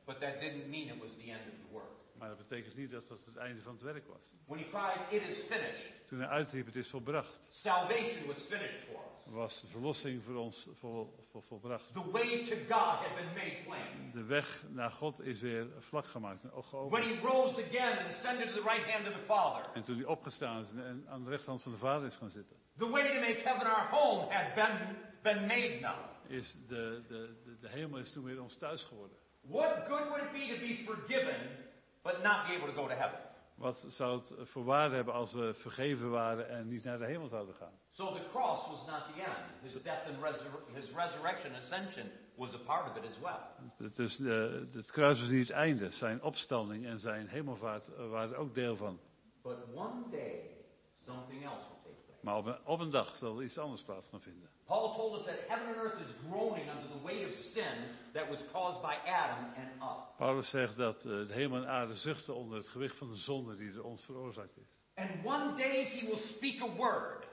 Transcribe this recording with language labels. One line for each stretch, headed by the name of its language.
English: But that didn't mean it was the end of the work.
Dutch: Maar dat betekent niet dat dat het einde van het werk was.
English: When he cried, it is finished.
Dutch: Toen hij uitriep, het is volbracht.
English: Salvation was finished for us.
Dutch: Was de verlossing voor ons volbracht.
English: The way to God had been made plain.
Dutch: De weg naar God is weer vlak gemaakt en geopend.
English: When he rose again and ascended to the right hand of the Father.
Dutch: En toen hij opgestaan is en aan de rechterhand van de Vader is gaan zitten.
English: The way to make heaven our home had been made now.
Dutch: Is de hemel is toen weer ons thuis geworden.
English: What good would it be to be forgiven? But not be able to go to heaven.
Dutch: Wat zou het voor waarde hebben als we vergeven waren en niet naar de hemel zouden gaan?
English: So the cross was not the end. His death and his resurrection, ascension was a part of it as well.
Dutch: Dus het kruis was niet het einde. Zijn opstanding en zijn hemelvaart waren ook deel van.
English: But one day something else will take place.
Dutch: Maar op een dag zal er iets anders plaats gaan vinden.
English: Paul told us that heaven and earth is groaning under the weight of sin that was caused by Adam and us.
Dutch: Paulus zegt dat de hemel en aarde zuchten onder het gewicht van de zonde die er ons veroorzaakt is.
English: And one day he will speak a word.